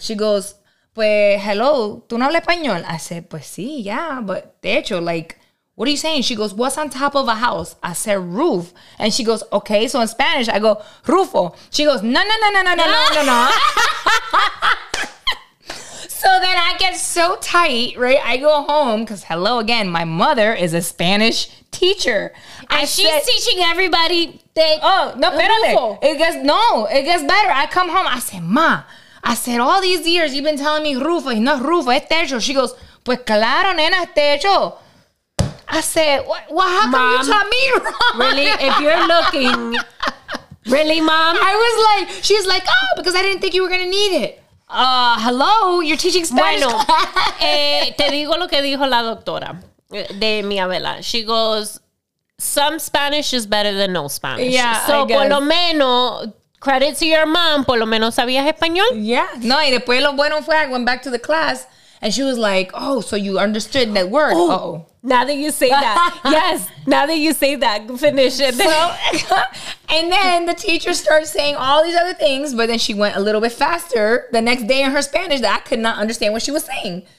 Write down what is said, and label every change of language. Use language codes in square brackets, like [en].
[en] She goes, [es] pues, [en] hello, [es] ¿tú no hablas español? [en] I said, [es] pues, sí, [en] yeah, but techo, like, what are you saying? She goes, what's on top of a house? I said, roof. And she goes, okay, so in Spanish, I go, rufo. She goes, no, no, no, no, no, no, no, no, no. So then I get so tight, right? I go home because, hello, again, my mother is a Spanish teacher. And I she's teaching everybody. It gets better. I come home. I said, ma, I said, all these years you've been telling me rufo. [es] No, rufo, es techo. [en] She goes, [es] pues claro, nena, es techo. [en] I said, what, how mom, come you taught me wrong? Really, if you're looking. Really, mom? I was like, she's like, oh, because I didn't think you were going to need it. Hello, you're teaching Spanish. [es] Bueno, te digo lo que dijo la doctora de mi abuela. [en] She goes, some Spanish is better than no Spanish. Yeah, [es] so por lo menos, [en] credit to your mom, [es] por lo menos sabías español. [en] Yeah. [es] No, y después lo bueno fue, [en] I went back to the class and she was like, oh, so you understood that word. Oh, now that you say that. Yes, now that you say that, finish it. So, and then the teacher starts saying all these other things, but then she went a little bit faster the next day in her Spanish that I could not understand what she was saying.